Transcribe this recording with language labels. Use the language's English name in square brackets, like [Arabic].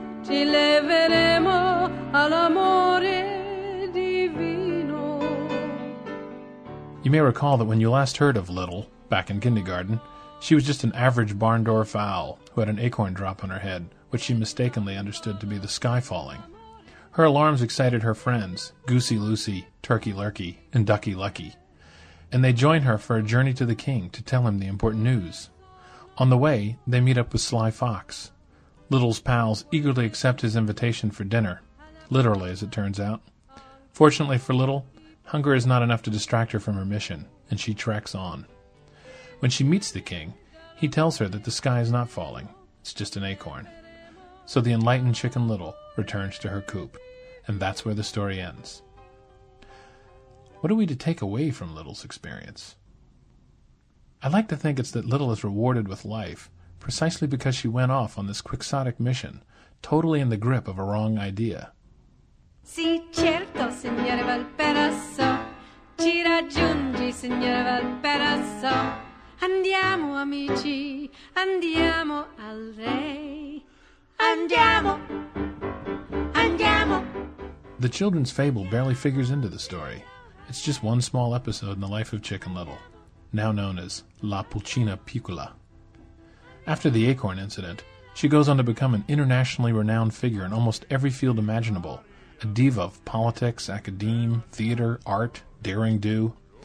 [Italian] Ci leveremo all'amore divino. [English] You may recall that when you last heard of Little, back in kindergarten, she was just an average barn door fowl who had an acorn drop on her head, which she mistakenly understood to be the sky falling. Her alarms excited her friends, Goosey Lucy, Turkey Lurkey, and Ducky Lucky, and they join her for a journey to the king to tell him the important news. On the way, they meet up with Sly Fox. Little's pals eagerly accept his invitation for dinner, literally, as it turns out. Fortunately for Little, hunger is not enough to distract her from her mission, and she treks on. When she meets the king, he tells her that the sky is not falling, it's just an acorn. So the enlightened chicken Little returns to her coop, and that's where the story ends. What are we to take away from Little's experience? I like to think it's that Little is rewarded with life, precisely because she went off on this quixotic mission, totally in the grip of a wrong idea. [Italian] Sì, certo, signore Valparaiso, ci raggiungi, signore Valparaiso. Andiamo, amici, andiamo al re. Andiamo, andiamo. [English] The children's fable barely figures into the story. It's just one small episode in the life of Chicken Little, now known as La Pulcina Piccola. After the acorn incident, she goes on to become an internationally renowned figure in almost every field imaginable, a diva of politics, academe, theater, art, derring do.